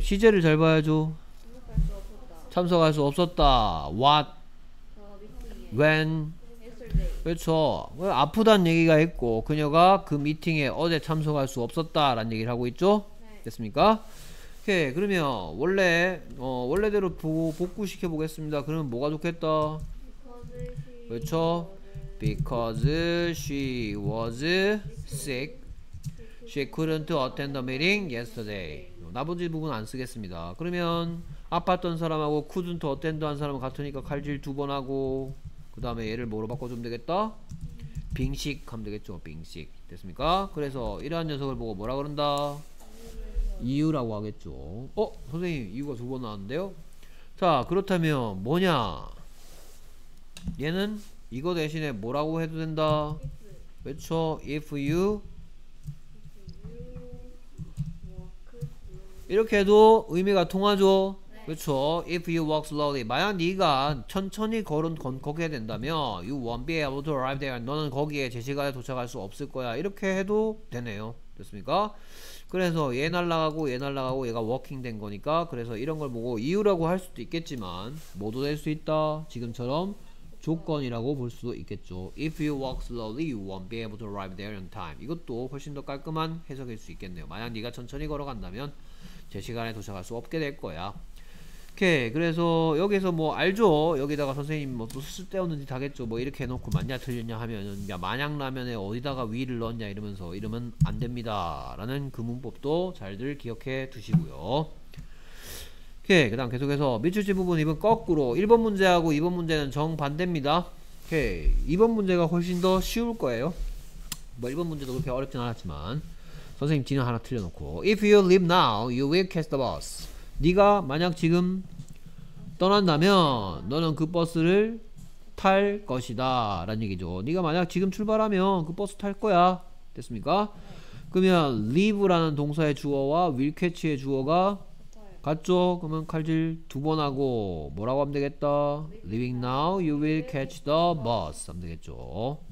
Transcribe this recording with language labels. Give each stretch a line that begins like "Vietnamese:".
Korean: 시제를 잘 봐야죠. 참석할 수 없었다. What? When? 그렇죠. 아프다는 얘기가 있고 그녀가 그 미팅에 어제 참석할 수 없었다라는 얘기를 하고 있죠. 됐습니까? 오케이. 그러면 원래대로 복구시켜 보겠습니다. 그러면 뭐가 좋겠다? 그렇죠.
English: Because she was sick, she couldn't attend the meeting yesterday.
Korean: 나머지 부분 안 쓰겠습니다. 그러면 아팠던 사람하고
English: couldn't attend
Korean: 한 사람은 같으니까 칼질 두 번 하고 그 다음에 얘를 뭐로 바꿔주면 되겠다?
English: being sick
Korean: 하면 되겠죠.
English: being sick.
Korean: 됐습니까? 그래서 이러한 녀석을 보고 뭐라 그런다? 이유라고 하겠죠. 어? 선생님 이유가 두 번 나왔는데요? 자 그렇다면 뭐냐? 얘는? 이거 대신에 뭐라고 해도 된다?
English: If. 그렇죠? If you
Korean: 이렇게 해도 의미가 통하죠? 네. 그렇죠.
English: If you walk slowly,
Korean: 만약 네가 천천히 걷게 된다면
English: you won't be able to arrive there.
Korean: 너는 거기에 제 시간에 도착할 수 없을 거야. 이렇게 해도 되네요. 됐습니까? 그래서 얘 날아가고 얘 날아가고 얘가 워킹 된 거니까 그래서 이런 걸 보고 이유라고 할 수도 있겠지만 모두 될 수 있다. 지금처럼 조건이라고 볼 수도 있겠죠.
English: If you walk slowly, you won't be able to arrive there in time.
Korean: 이것도 훨씬 더 깔끔한 해석일 수 있겠네요. 만약 네가 천천히 걸어간다면 제 시간에 도착할 수 없게 될 거야. 오케이. 그래서 여기서 뭐 알죠. 여기다가 선생님 뭐 또 쓸데없는 짓 하겠죠. 뭐 이렇게 해놓고 맞냐 틀렸냐 하면은 야 만약 라면에 어디다가 위를 넣었냐 이러면서 이러면 안 됩니다. 라는 그 문법도 잘들 기억해 두시고요. 오케이. 그 다음 계속해서 미출지 부분 이번 거꾸로 1번 문제하고 2번 문제는 정반대입니다. 오케이. 2번 문제가 훨씬 더 쉬울 거예요. 뭐 1번 문제도 그렇게 어렵진 않았지만 선생님 뒤는 하나 틀려놓고
English: If you leave now, you will catch the bus.
Korean: 네가 만약 지금 떠난다면 너는 그 버스를 탈 것이다 라는 얘기죠. 네가 만약 지금 출발하면 그 버스 탈 거야. 됐습니까? 그러면 leave라는 동사의 주어와 will catch의 주어가 같죠? 그러면 칼질 두 번 하고 뭐라고 하면 되겠다?
English: Leaving now, you will catch the bus
Korean: 하면 되겠죠.